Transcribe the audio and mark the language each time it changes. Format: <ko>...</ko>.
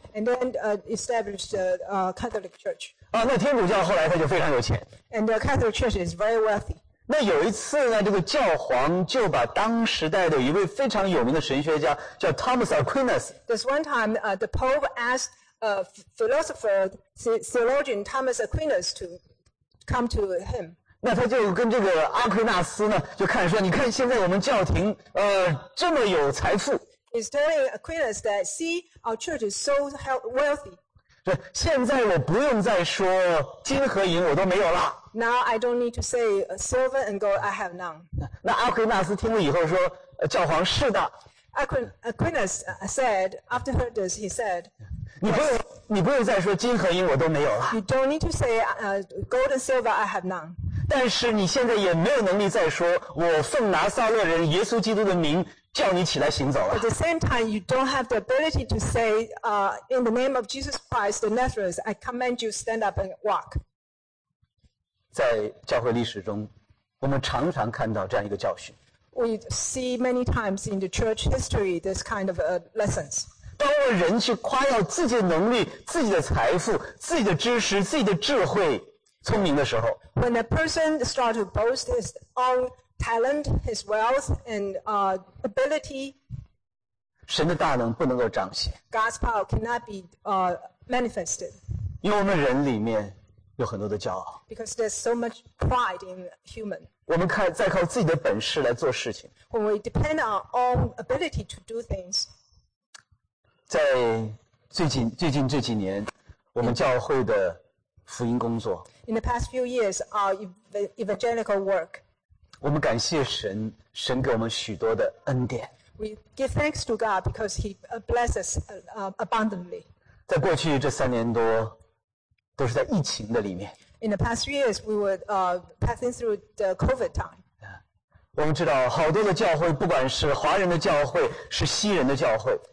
<en>And then established the Catholic Church.</en> <zh>啊，那天主教后来他就非常有钱。</zh> <en>And the Catholic Church is very wealthy.</en> <zh>那有一次呢，这个教皇就把当时代的一位非常有名的神学家叫 Thomas Aquinas.</zh> <en>This one time, the Pope asked. Philosopher, theologian Thomas Aquinas to come to him.</en> <zh>那他就跟这个阿奎那斯呢，就看说，你看现在我们教廷，这么有财富。</zh> <en>He's telling Aquinas that, see, our church is so wealthy.</en> <zh>对，现在我不用再说金和银我都没有了。</zh> <en>Now I don't need to say silver and gold I have none.</en> <zh>那阿奎那斯听了以后说，教皇是的。</zh> <en>Aquinas said, after heard this, he said.</en> <zh>你不用再说金和银我都没有了。</zh> <en>You don't need to say, gold and silver I have none.</en> <zh>但是你现在也没有能力再说我奉拿撒勒人耶稣基督的名叫你起来行走了。</zh> <en>At the same time, you don't have the ability to say, in the name of Jesus Christ, the Nazareth, I command you stand up and walk.</en> <zh>在教会历史中，我们常常看到这样一个教训。</zh> <en>We see many times in the church history this kind of lessons.</en> <zh>当我人去夸耀自己的能力、自己的财富、自己的知识、自己的智慧、聪明的时候</zh> <en>，When a person starts to boast his own talent, his wealth, and ability,</en> <zh>神的大能不能够彰显</zh> <en>，God's power cannot be manifested.</en> <zh>因为我们人里面有很多的骄傲</zh> <en>，Because there's so much pride in human.</en> <zh>我们再靠自己的本事来做事情</zh> <en>，When we depend on our own ability to do things.</en> <zh>在最近这几年，我们教会的福音工作。</zh> <en>In the past few years, our evangelical work.</en> <zh>我们感谢神，神给我们许多的恩典。</zh> <en>We give thanks to God because He blesses us abundantly.</en> <zh>在过去这三年多，都是在疫情的里面。</zh> <en>In the past few years, we were passing through the COVID time.</en> <zh>我们知道好多的教会，不管是华人的教会，是西人的教会。</zh>